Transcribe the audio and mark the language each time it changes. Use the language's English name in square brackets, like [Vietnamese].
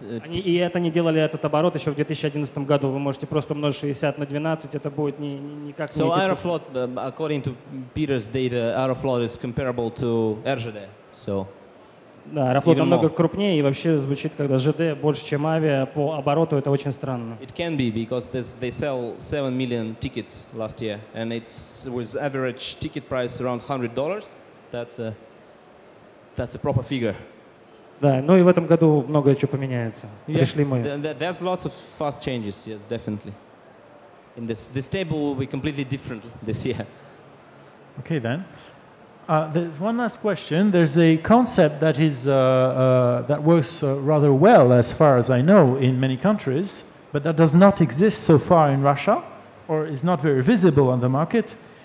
[Russian] И это не делали этот оборот еще в 2011 году. Вы можете просто умножить 60 на 12. Это будет никак не... [English] So Aeroflot, according to Peter's data, Aeroflot is comparable to RGD. So, [Russian] да, Аэрофлот намного крупнее. И вообще звучит, когда ЖД больше, чем авиа по обороту, это очень странно. [English] It can be, because they sell 7 million tickets last year. And it's with average ticket price around $100. That's a proper figure. [Russian] Да, ну и в этом году многое что поменяется. [English] Yeah, [Russian] пришли мы. [English] There's lots of fast changes, yes, definitely. In this table will be completely different this year. Okay, then. There's one last question. There's a concept that is that works rather well, as far as I know, in many countries, but that does not exist so far in Russia, or is not very visible on the market.